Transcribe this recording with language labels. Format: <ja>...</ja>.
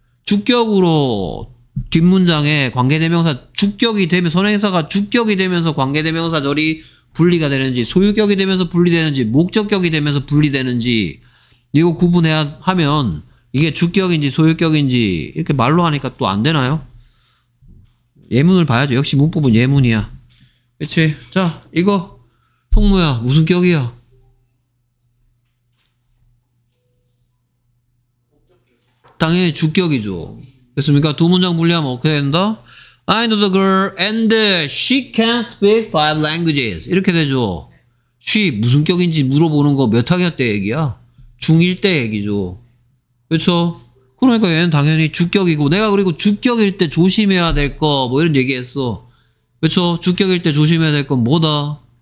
<ko>주격으로 뒷문장에 관계대명사 주격이 되면 선행사가 주격이 되면서 관계대명사 절이 분리가 되는지 소유격이 되면서 분리되는지 목적격이 되면서 분리되는지 이거 구분해야 하면 이게 주격인지 소유격인지 이렇게 말로 하니까 또 안 되나요? 예문을 봐야죠. 역시 문법은 예문이야. 그치? 자 이거 성모야 무슨 격이야? 당연히 주격이죠. 됐습니까? 두 문장 분리하면 어떻게 된다?</ko> <en>I know the girl and she can speak 5 languages.</en> <ko>이렇게 되죠. She 무슨 격인지 물어보는 거 몇 학년 때 얘기야? 중1 때 얘기죠. 그렇죠? 그러니까 얘는 당연히 주격이고 내가 그리고 주격일 때 조심해야 될 거 뭐 이런 얘기했어. 그렇죠? 주격일 때 조심해야 될 건 뭐다?</ko>